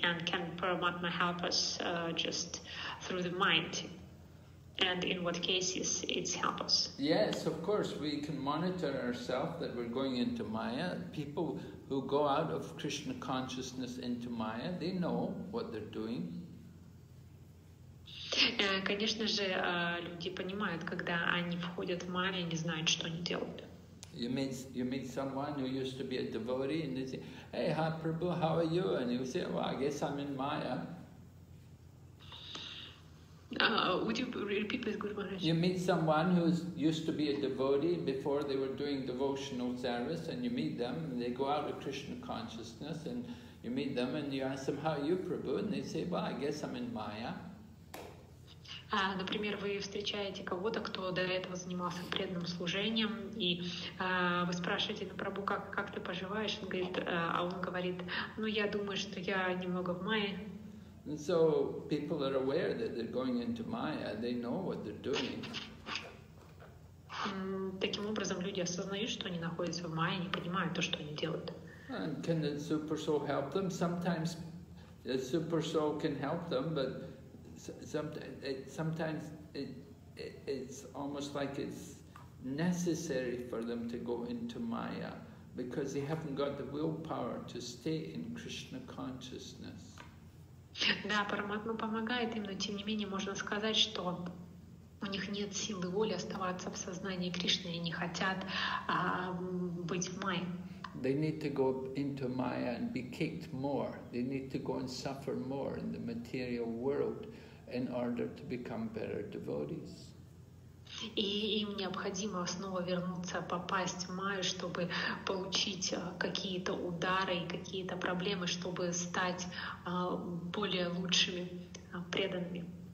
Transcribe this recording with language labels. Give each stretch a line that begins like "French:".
English: And can Paramatma help us just through the mind? And in what cases it's help us? Yes, of course, we can monitor ourselves that we're going into Maya. People who go out of Krishna consciousness into Maya, they know what they're doing.
Russian: Конечно же, люди понимают, когда они входят в Майя, они знают, что они делают.
English: You meet someone who used to be a devotee, and they say, "Hey, Prabhu, how are you?" And you say, "Well, I guess I'm in Maya." Would you repeat this, Guru Maharaj? You meet someone who used to be a devotee before they were doing devotional service, and you meet them, and they go out of Krishna consciousness, and you meet them, and you ask them, "How are you, Prabhu?" And they say, "Well, I guess I'm in Maya."
Russian: Например, вы встречаете кого-то, кто до этого занимался преданным служением, и вы спрашиваете, ну, Прабу, как ты поживаешь? Он говорит, ну, я думаю, что я немного в Майе.
English: And so people are aware that they're going into Maya, they know what they're doing.
Russian: Таким образом, люди осознают, что они находятся в Майе, они понимают то, что они делают.
English: And can the super soul help them? Sometimes the super soul can help them, but Sometimes it's almost like it's necessary for them to go into Maya because they haven't got the willpower to stay in Krishna consciousness.
Russian: Да, Параматма помогает им, но тем не менее можно сказать, что у них нет силы воли оставаться в сознании Кришны, и не хотят быть в Майе.
English: They need to go into Maya and be kicked more. They need to go and suffer more in the material world in order to become better devotees.
Russian: И им необходимо снова вернуться, попасть в Майю, чтобы получить какие-то удары и какие-то проблемы, чтобы стать более лучшими преданными.